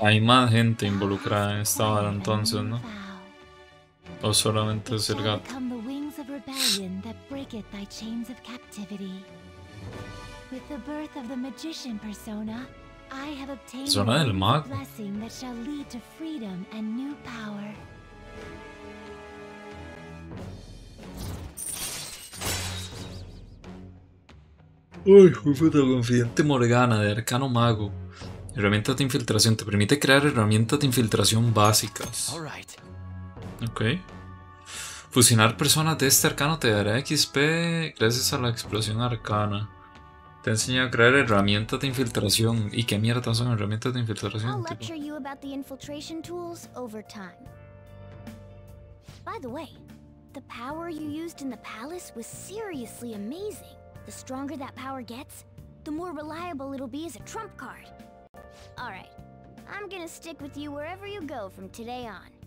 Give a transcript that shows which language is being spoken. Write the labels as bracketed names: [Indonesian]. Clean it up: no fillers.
[Spanish] Hay más gente involucrada en esta hora entonces, ¿no? O solamente es el gato. [English] Come the wings of rebellion that breaketh thy chains of captivity. With the birth of the magician persona, I have obtained a blessing that shall lead to freedom and new power. [Spanish] Uy, puta, confidente Morgana de Arcano Mago. Herramientas de infiltración. Te permite crear herramientas de infiltración básicas. Ok. Fusionar personas de este arcano te dará XP gracias a la explosión arcana. Te he enseñado a crear herramientas de infiltración. ¿Y qué mierda son herramientas de infiltración? [English] I'll lecture you about the infiltration tools over time. By the way, the power you used in the palace was seriously amazing. The stronger that power gets, the more reliable it'll be as a trump card. All right, I'm gonna stick with you wherever you go from today on.